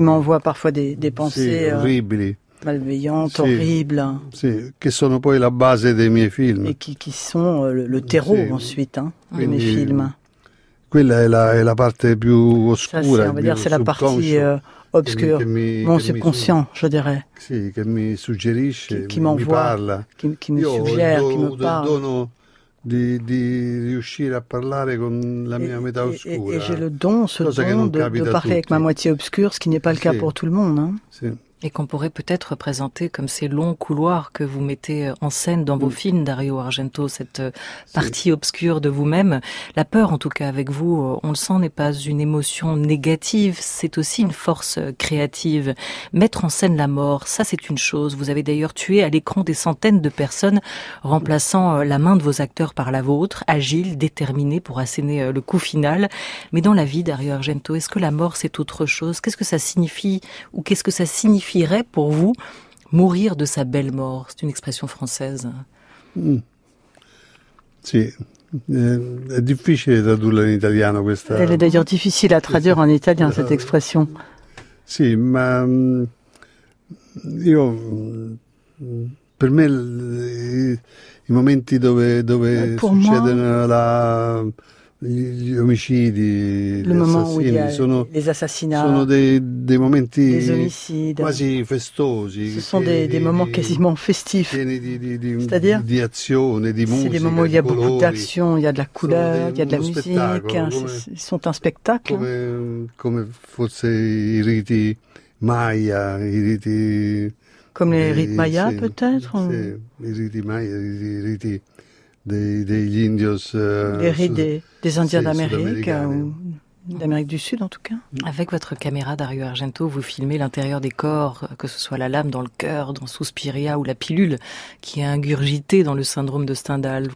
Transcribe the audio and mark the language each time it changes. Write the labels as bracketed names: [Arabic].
[French] m'envoie parfois des pensées malveillantes, horribles, [Italian] qui sono poi la base dei miei film, [French] et qui sont le terreau ensuite de mes films. [Italian] Quella è la parte più oscura, [French] c'est la partie obscur, mon subconscient, je dirais. [Italian] Sì, che mi suggerisce, mi parla. [French] Qui me parle. [Italian] Io ho il dono di riuscire a parlare con la mia metà oscura. [French] Et j'ai le don, ce don de parler avec ma moitié obscure, ce qui n'est pas le cas pour tout le monde. Et qu'on pourrait peut-être présenter comme ces longs couloirs que vous mettez en scène dans vos films, Dario Argento, cette partie obscure de vous-même. La peur, en tout cas avec vous, on le sent, n'est pas une émotion négative, c'est aussi une force créative. Mettre en scène la mort, ça c'est une chose. Vous avez d'ailleurs tué à l'écran des centaines de personnes, remplaçant la main de vos acteurs par la vôtre, agile, déterminé pour asséner le coup final. Mais dans la vie, Dario Argento, est-ce que la mort c'est autre chose? Qu'est-ce que ça signifie, ou qu'est-ce que ça signifie signifierait pour vous mourir de sa belle mort? C'est une expression française. C'est difficile de traduire en italien. Elle est d'ailleurs difficile à traduire en italien, cette expression. [Italian] Si, ma io per me i momenti dove succedono gli omicidi, [French] les assassinats, [Italian] sono dei momenti, [French] les omicides, [Italian] quasi festosi, [French] ce sont des moments quasiment festifs, [Italian] di azione, di musica, [French] c'est des moments où il y a beaucoup d'action, il y a de la couleur, il y a de la musique, ils sont un spectacle, [Italian] come forse i riti maya, i riti, [French] comme les rites maya peut-être, [Italian] i riti maya, i riti degli indios, [French] les rites des Indiens d'Amérique, d'Amérique du Sud en tout cas. Avec votre caméra Dario Argento, vous filmez l'intérieur des corps, que ce soit la lame dans le cœur, dans Suspiria ou la pilule qui est ingurgitée dans le syndrome de Stendhal.